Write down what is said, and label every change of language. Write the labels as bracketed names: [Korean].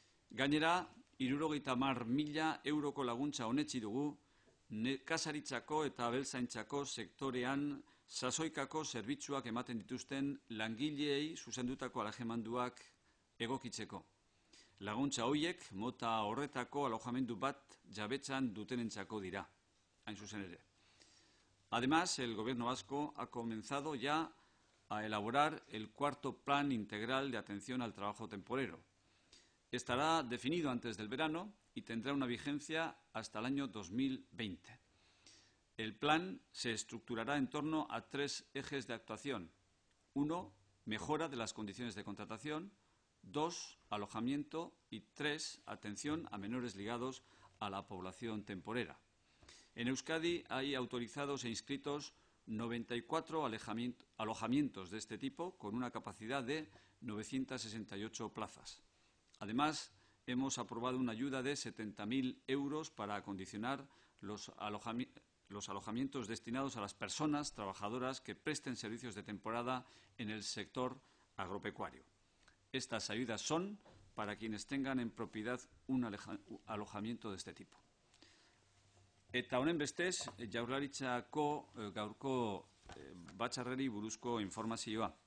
[Basque] Gainera, 70.000 euroko laguntza onetsi dugu, nekazaritzako eta abeltzaintzako sektorean sasoikako zerbitzuak ematen dituzten langileei zuzendutako alajemanduak egokitzeko. Laguntza horiek mota horretako alojamendu bat jabetzan dutenentzako dira, hain zuzen ere. [Spanish] Además, el Gobierno Vasco ha comenzado ya a elaborar el 4º plan integral de atención al trabajo temporero. Estará definido antes del verano y tendrá una vigencia hasta el año 2020. El plan se estructurará en torno a 3 ejes de actuación. 1, mejora de las condiciones de contratación, 2, alojamiento y 3, atención a menores ligados a la población temporera. En Euskadi hay autorizados e inscritos 94 alojamientos de este tipo con una capacidad de 968 plazas. Además, hemos aprobado una ayuda de 70.000 euros para acondicionar los alojamientos destinados a las personas trabajadoras que presten servicios de temporada en el sector agropecuario. Estas ayudas son para quienes tengan en propiedad un alojamiento de este tipo. [Basque] Eta honen bestez, Jaurlaritzako gaurko batzarreri buruzko informazioa.